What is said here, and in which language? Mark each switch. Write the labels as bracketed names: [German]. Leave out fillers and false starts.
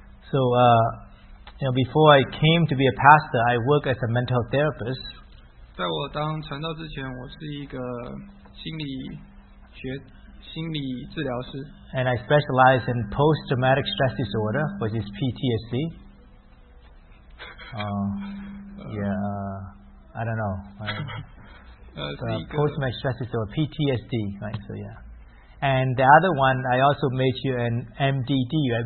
[English] So, before I came to be a pastor, I worked as a mental therapist. [Chinese] 在我当传道之前, 我是一个心理, 心理治疗师, [English] and I specialize in post-traumatic stress disorder, which is PTSD. I don't know. Post-traumatic stress disorder, PTSD, right? So, yeah. And the other one, I also major in MDD, right?